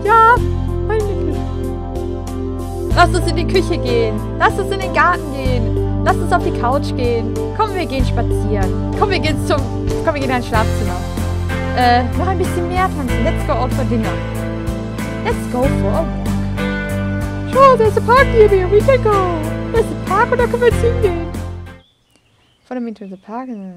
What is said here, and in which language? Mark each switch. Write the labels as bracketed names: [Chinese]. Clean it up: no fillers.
[German] Ja, meine Güte. Lass uns in die Küche gehen. Lass uns in den Garten gehen. Lass uns auf die Couch gehen. Komm, wir gehen spazieren. Komm, wir gehen in dein Schlafzimmer. Noch ein bisschen mehr tanzen. [English] Let's go out for dinner. Let's go for a walk. Oh, there's a park here, we can go. There's a park, [German] und da können wir jetzt hingehen. [English] Follow me to the park.